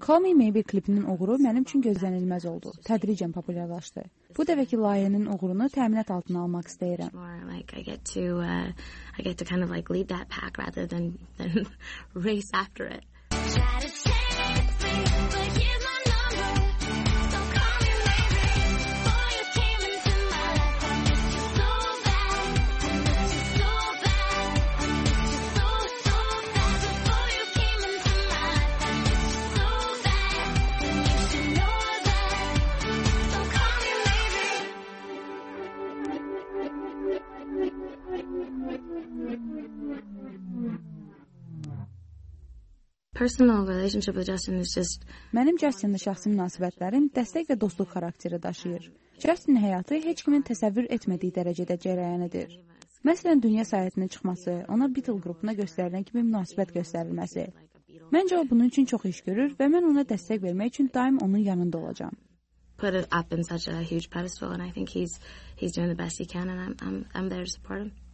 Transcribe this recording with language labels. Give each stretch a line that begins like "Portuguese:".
Azerbaijani: Call Me Maybe klipinin uğuru mənim üçün gözlənilməz oldu. Tədricən populyarlaşdı. Bu dəfəki layihənin uğurunu təminat altına almaq istəyirəm.
English: Like I get to kind of like lead that pack rather than race after it. Personal relationship with Justin is just
Azerbaijani: Mənim Justin-la şəxsi münasibətlərim dəstək və dostluq xarakteri daşıyır. Justin-in həyatı heç kimin təsəvvür etmədiyi dərəcədə cərəyan edir. Məsələn, dünya səyahətinə çıxması, ona Beatles qrupuna göstərilən kimi münasibət göstərilməsi. Məncə o bunun üçün çox iş görür və mən ona dəstək vermək üçün daim onun yanında olacağam.
English: Put it up in such a huge pedestal and I think he's doing the best he can and I'm there to support him.